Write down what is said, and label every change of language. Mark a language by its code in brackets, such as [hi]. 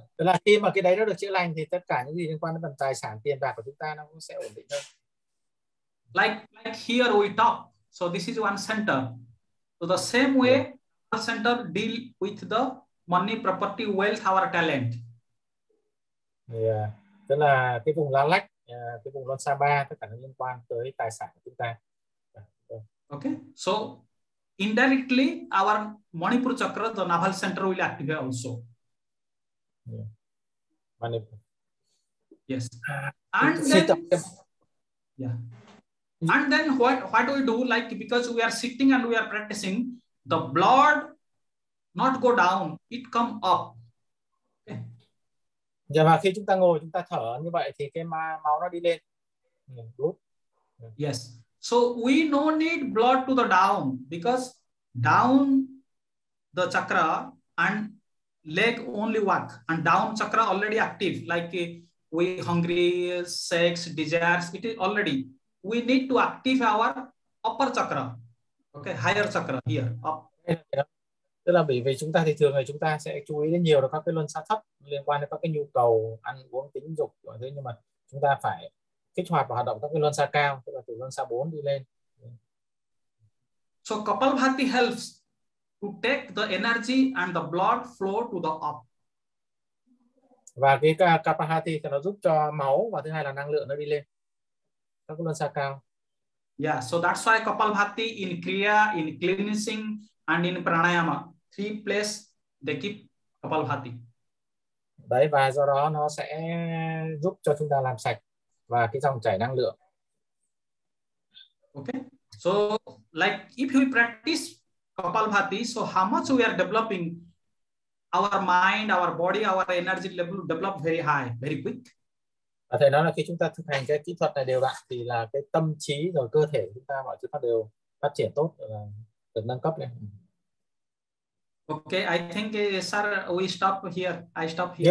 [vi] Tức là khi mà cái đấy nó được chữa lành thì tất cả những gì liên quan đến tài sản tiền bạc của chúng ta nó cũng sẽ ổn định hơn. [en] Like here we talk, so this is one center. So the same way, yeah. The center deal with the money, property, wealth, our talent. [vi] Yeah, tức là cái vùng La Lách, cái vùng Luang Saba, tất cả những liên quan tới tài sản của chúng ta. [en] Okay, so indirectly our Manipur chakra, the naval center will activate also. Yeah. Manipur. Yes. And then what do we do? Like because we are sitting and we are practicing, the blood not go down, it come up. Okay. [vi] Yeah, và khi chúng ta ngồi, chúng ta thở như vậy thì cái máu nó đi lên. [en] Yes. So we no need blood to the down because down the chakra and leg only work and down chakra already active like we hungry, sex, desires, it is already. We need to active our upper chakra, okay, higher chakra here. [vi] Tức là bởi vì chúng ta thì thường là chúng ta sẽ chú ý đến nhiều là các cái luân xa thấp liên quan đến các cái nhu cầu ăn uống tính dục và thế, nhưng mà chúng ta phải kích hoạt và hoạt động các cái luân xa cao, tức là từ luân xa 4 đi lên. [en] So Kapalbhati helps to take the energy and the blood flow to the up. [vi] Và cái Kapalbhati thì nó giúp cho máu và thứ hai là năng lượng nó đi lên các cái luân xa cao. [en] Yeah, so that's why Kapalbhati in kriya, in cleansing and in pranayama, three place they keep Kapalbhati. [vi] Đấy, và do đó nó sẽ giúp cho chúng ta làm sạch và cái dòng chảy năng lượng. [en] Okay, so like if we practice Kapalbhati, so how much we are developing our mind, our body, our energy level develop very high, very quick. [vi] Và thầy nói là khi chúng ta thực hành cái kỹ thuật này đều đặn thì là cái tâm trí rồi cơ thể chúng ta mọi thứ nó đều phát triển tốt, được nâng cấp lên. [en] Okay, I think sir we stop here. I stop here.